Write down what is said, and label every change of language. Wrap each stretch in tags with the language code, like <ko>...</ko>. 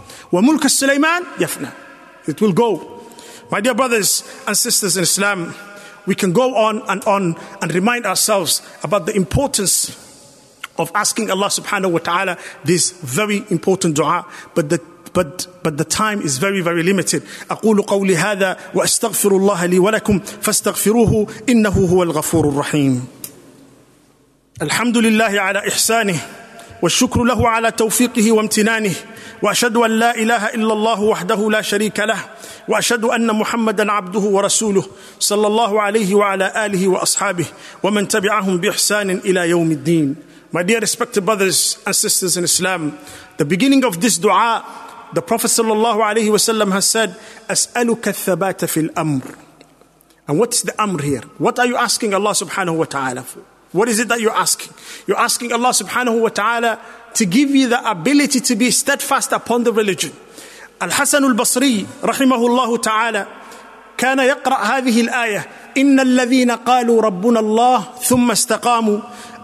<ar>Wa mulk Sulaiman yafna.</ar> <en>It will go. My dear brothers and sisters in Islam, we can go on and remind ourselves about the importance of asking Allah subhanahu wa ta'ala this very important dua. But the time is very, very limited.</en> <ar>أقول قولي هذا وأستغفر الله لي ولكم فاستغفروه إنه هو الغفور الرحيم. الحمد لله على إحسانه والشكر له على توفيقه وامتنانه وأشهد أن لا إله إلا الله وحده لا شريك له وأشهد أن محمدا عبده ورسوله صلى الله عليه وعلى آله وأصحابه ومن تبعهم بإحسان إلى يوم الدين.</ar> <en>My dear respected brothers and sisters in Islam, the beginning of this dua, the Prophet sallallahu alayhi wa sallam has said,</en> <ar>أسألك الثبات في الأمر.</ar> <en>And what's the amr here? What are you asking Allah subhanahu wa ta'ala for? What is it that you're asking? You're asking Allah subhanahu wa ta'ala to give you the ability to be steadfast upon the religion.</en> <ar>Al-Hasan al-Basri, rahimahullahu ta'ala, كان يقرأ هذه الآية, إن الذين قالوا ربنا الله ثم استقاموا.</ar>